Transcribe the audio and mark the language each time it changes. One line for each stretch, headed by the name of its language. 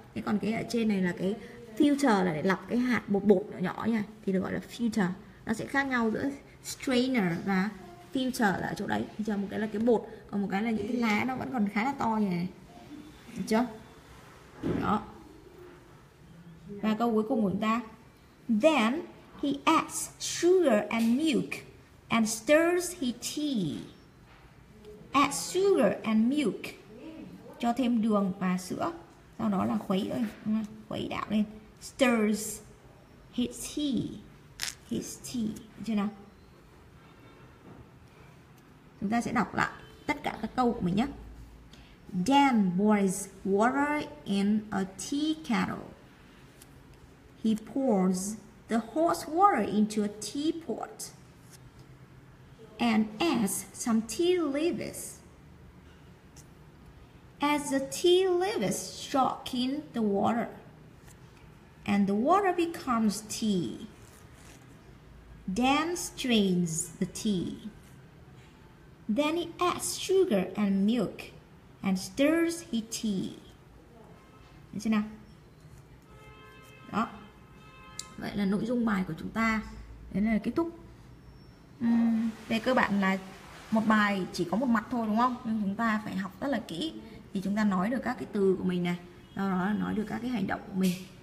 Vietnamese: Cái còn cái ở trên này là cái filter là để lọc cái hạt bột bột nhỏ nhỏ nha. Thì được gọi là filter. Nó sẽ khác nhau giữa strainer và filter là ở chỗ đấy. Chờ một cái là cái bột, còn một cái là những cái lá nó vẫn còn khá là to như này. Được chưa? Đó. Và câu cuối cùng của chúng ta.
English: Then he adds sugar and milk and stirs his tea. Add sugar and milk.
Vietnamese: Cho thêm đường và sữa. Sau đó là khuấy ơi, khuấy đảo lên.
English: Stirs his tea. His tea.
Vietnamese: Được chưa nào? Chúng ta sẽ đọc lại tất cả các câu của mình nhé.
English: Dan boils water in a tea kettle. He pours the hot water into a teapot and adds some tea leaves. As the tea leaves soak in the water and the water becomes tea, Dan strains the tea. Then he adds sugar and milk and stirs his tea.
Vietnamese: Được chưa nào? Đó. Vậy là nội dung bài của chúng ta đến đây là kết thúc. Về cơ bản là một bài chỉ có một mặt thôi đúng không? Nhưng chúng ta phải học rất là kỹ thì chúng ta nói được các cái từ của mình này, sau đó là nói được các cái hành động của mình.